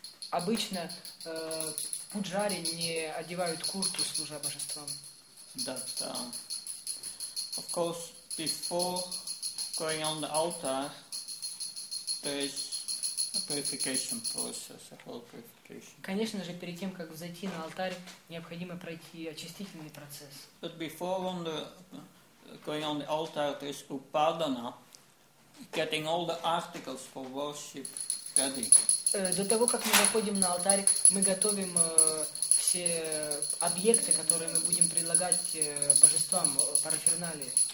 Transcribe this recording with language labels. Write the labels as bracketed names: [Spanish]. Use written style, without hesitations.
[Russian] Обычно пуджари не одевают курту, служа божествам. [English] That, of course, before going on the altar, there is a purification process, a whole purification. [Russian] Конечно же, перед тем, как взойти на алтарь, необходимо пройти очистительный процесс. [English] But before going on the altar, there is upadana, getting all the articles for worship ready. [Russian] До того, как мы заходим на алтарь, мы готовим все объекты, которые мы будем предлагать божествам, параферналии.